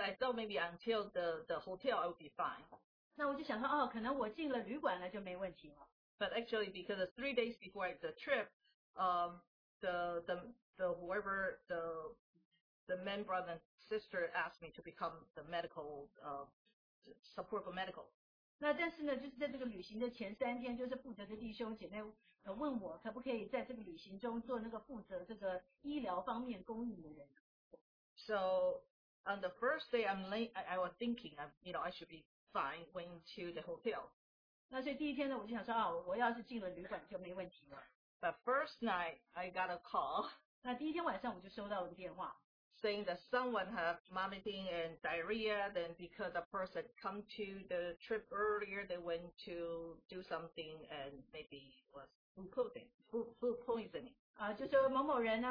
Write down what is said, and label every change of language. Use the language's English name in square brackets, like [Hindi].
[English] I thought maybe until the hotel I would be fine. [Chinese] 那我就想说，哦，可能我进了旅馆了就没问题了。 [English] But actually, because the 3 days before the trip, the whoever the main brother and sister asked me to become the medical support for medical. [Chinese] 那但是呢，就是在这个旅行的前三天，就是负责的弟兄姐妹问我，可不可以在这个旅行中做那个负责这个医疗方面公益的人。 [English] So on the first day, I'm late. I was thinking, you know, I should be fine when to the hotel. [Chinese] 那所以第一天呢，我就想说啊，我要是进了旅馆就没问题了。 [English] But first night, I got a call. [Chinese] 那第一天晚上我就收到了电话。 [English] Saying that someone has vomiting and diarrhea, then because the person come to the trip earlier, they went to do something and maybe was food poisoning.